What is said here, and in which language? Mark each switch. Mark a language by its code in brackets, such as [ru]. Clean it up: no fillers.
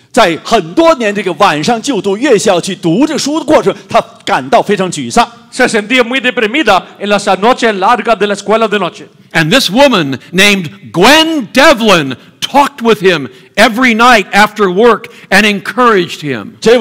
[zh] 在很多年这个晚上就读夜校去读这书的过程，他感到非常沮丧。 [es] Se sentía muy deprimida en las noches largas de la escuela de noche. [en] And this woman named Gwen Devlin talked with him every night after work and encouraged him.